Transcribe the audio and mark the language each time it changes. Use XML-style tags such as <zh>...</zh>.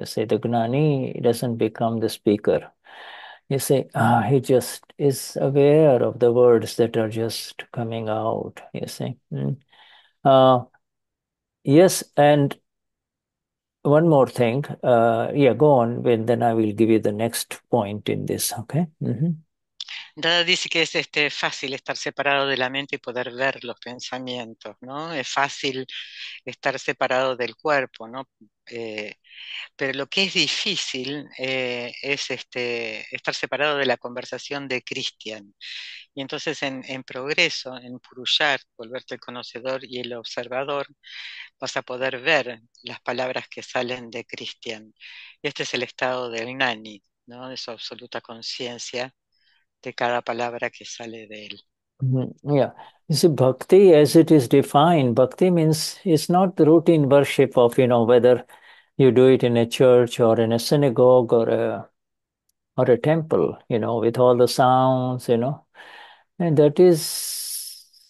<en>You see, the Gnani doesn't become the speaker. You see, he just is aware of the words that are just coming out, you see. Yes, and one more thing. Yeah, go on, then I will give you the next point in this, okay?</en> <es>Dada dice que es fácil estar separado de la mente y poder ver los pensamientos, ¿no? Es fácil estar separado del cuerpo, ¿no? Pero lo que es difícil es estar separado de la conversación de Cristian. Y entonces en progreso, en Purushar, volverte el conocedor y el observador, vas a poder ver las palabras que salen de Cristian. Este es el estado del Gnani, ¿no? De su absoluta conciencia de cada palabra que sale de él.</es> <en>Yeah. You see, bhakti as it is defined, bhakti means it's not the routine worship of, whether you do it in a church or in a synagogue or a temple, with all the sounds, And that is</en>